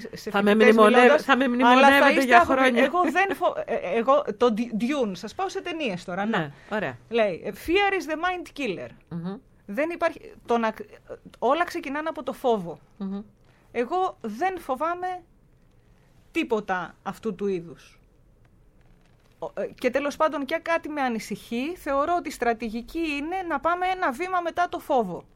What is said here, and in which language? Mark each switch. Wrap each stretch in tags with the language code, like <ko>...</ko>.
<el>θα με μνημονεύετε για χρόνια. Το Dune, σας πάω σε ταινίες τώρα. Ναι, ωραία.</el> <en>Λέει, fear is the mind killer.</en> <el>Δεν υπάρχει, όλα ξεκινάνε από το φόβο. Εγώ δεν φοβάμαι τίποτα αυτού του είδους. Και τέλος πάντων και κάτι με ανησυχεί, θεωρώ ότι η στρατηγική είναι να πάμε ένα βήμα μετά το φόβο.</el>